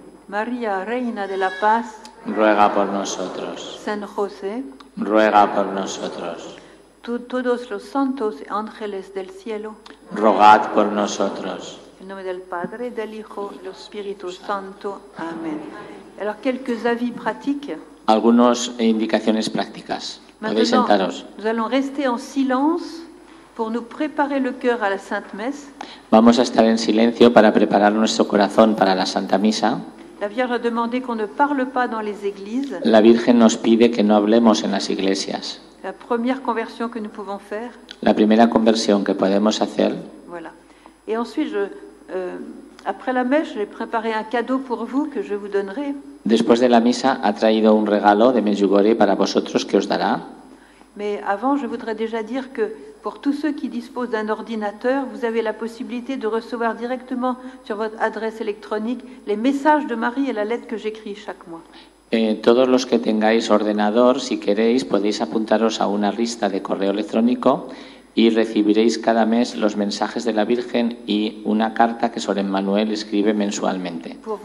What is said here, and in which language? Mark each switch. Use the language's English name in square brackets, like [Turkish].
[Spanish] María, Reina de la Paz, ruega por nosotros. San José, ruega por nosotros. Todos los santos y ángeles del cielo, rogad por nosotros. En nombre del Padre, del Hijo y del Espíritu Santo. Amén. [French] Alors, quelques avis pratiques. [Spanish] Algunas indicaciones prácticas. Podéis sentaros. [French] Nous allons rester en silence pour nous préparer le cœur à la Sainte Messe. [Spanish] Vamos a estar en silencio para preparar nuestro corazón para la Santa Misa. [French] La Vierge a demandé qu'on ne parle pas dans les églises. [Spanish] La Virgen nos pide que no hablemos en las iglesias. [French] La première conversion que nous pouvons faire. [Spanish] La primera conversión que podemos hacer. [French] Voilà. Et ensuite, après la messe, j'ai préparé un cadeau pour vous que je vous donnerai. [Spanish] Después de la misa ha traído un regalo de Medjugorje para vosotros que os dará. [French] Mais avant, je voudrais déjà dire que pour tous ceux qui disposent d'un ordinateur, vous avez la possibilité de recevoir directement sur votre adresse électronique les messages de Marie et la lettre que j'écris chaque mois. [Spanish] Todos los que tengáis ordenador, si queréis, podéis apuntaros a una lista de correo electrónico y recibiréis cada mes los mensajes de la Virgen y una carta que Sor Emmanuel escribe mensualmente.